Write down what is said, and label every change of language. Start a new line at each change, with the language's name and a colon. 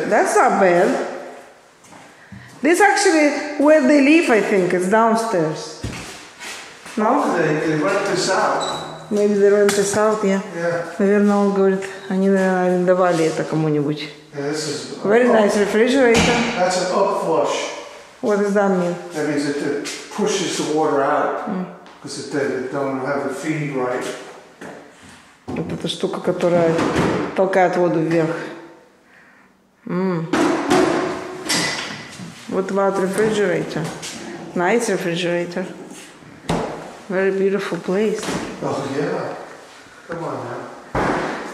English: That's not bad. This actually, where they live, I think. It's downstairs. No? They rent this out. Maybe they rent this out, yeah. Yeah.
Russian: Наверное, он говорит, они, наверное, арендовали это кому-нибудь.
English: Yeah, this is very nice refrigerator. That's an up flush. What does that mean? That means it pushes the water out because it don't have the feed right.
Russian: Вот эта штука, которая толкает воду вверх.
English: What about refrigerator? Nice refrigerator. Very beautiful place. Oh yeah. Come on now.